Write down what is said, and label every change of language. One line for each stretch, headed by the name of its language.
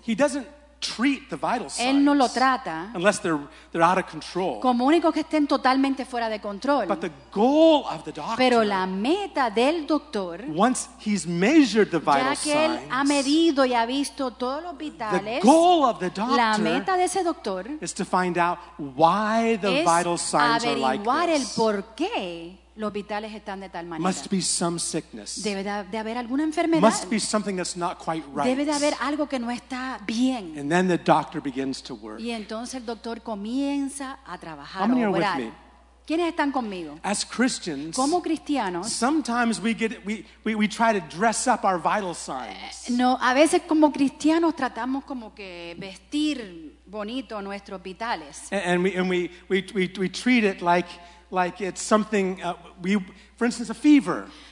English: He doesn't treat the vital signs.
Spanish: Él no lo trata.
English: Unless they're out of control.
Spanish: Como único que estén totalmente fuera de control.
English: But the goal of the doctor.
Spanish: Pero la meta del doctor.
English: Once he's measured the vital signs.
Spanish: Ya que él ha medido y ha visto todos los vitales.
English: The goal of the doctor.
Spanish: La meta de ese doctor.
English: Is to find out why the vital signs are like this.
Spanish: Es averiguar el porqué. Los vitales están de tal manera.
English: Must be some sickness.
Spanish: Debe de haber alguna enfermedad.
English: Must be something that's not quite right.
Spanish: Debe de haber algo que no está bien.
English: And then the doctor begins to work.
Spanish: Y entonces el doctor comienza a trabajar.
English: How many are with me?
Spanish: ¿Quiénes están conmigo?
English: As Christians,
Spanish: como cristianos,
English: sometimes we try to dress up our vital signs.
Spanish: No, a veces como cristianos tratamos como que vestir bonito nuestros vitales.
English: And we treat it like it's something for instance a fever.